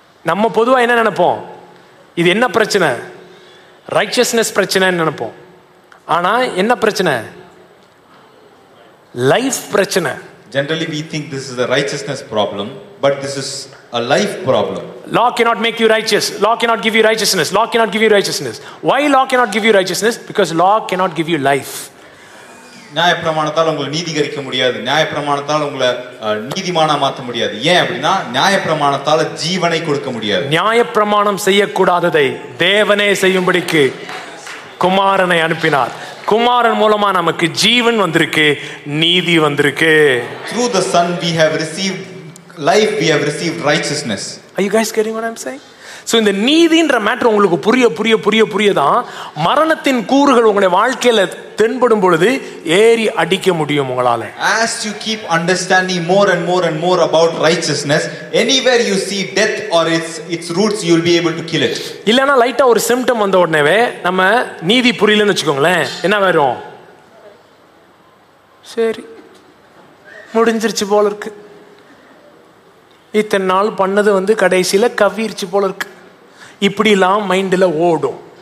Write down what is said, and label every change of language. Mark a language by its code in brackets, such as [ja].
[ta] நம்ம பொதுவாக என்ன நினைப்போம், இது என்ன பிரச்சனை, ரைச்சியஸ்னஸ் பிரச்சனைன்னு நினைப்போம். ஆனால் என்ன பிரச்சனை, லைஃப் பிரச்சனை. [en] Generally we think this is a righteousness problem, but this is a life problem. Law cannot make you righteous. Law cannot give you righteousness. Law cannot give you righteousness. Why law cannot give you righteousness? Because law cannot give you life. [ta] நியாயப்பிரமாணத்தால் உங்களை நீதிகரிக்க முடியாது. நியாயப்பிரமாணத்தால் உங்களை நீதிமானா மாற்ற முடியாது. ஏன் அப்படின்னா, நியாயப்பிரமாணத்தால் ஜீவனை கொடுக்க முடியாது. நியாயப்பிரமாணம் செய்யக்கூடாததை தேவனே செய்யும்படிக்கு குமாரனை அனுப்பினார். குமாரன் மூலமா நமக்கு ஜீவன் வந்திருக்கு, நீதி வந்திருக்கு. [en] Through the Son we have received life, we have received righteousness. Are you guys getting what I'm saying? [ta] So இந்த நீதின்ற மேட்டர் உங்களுக்கு புரிய புரிய புரிய புரியதான், மரணத்தின் கூறுகள் உங்களுடைய வாழ்க்கையில் தென்படும் பொழுது ஏறி அடிக்க முடியும் உங்களால. [en] As you keep understanding more and more and more about righteousness, anywhere you see death or its roots, you'll be able to kill it. [ta] இல்லைன்னா லைட்டாக ஒரு சிம்டம் வந்த உடனே நம்ம நீதி புரியலன்னு வச்சுக்கோங்களேன், என்ன வரும், சரி முடிஞ்சிருச்சு போல இருக்கு, இத்தனை நாள் பண்ணது வந்து கடைசியில கவ்விருச்சு போல இருக்கு, இப்படிலாம் மைண்ட்ல ஓடும்.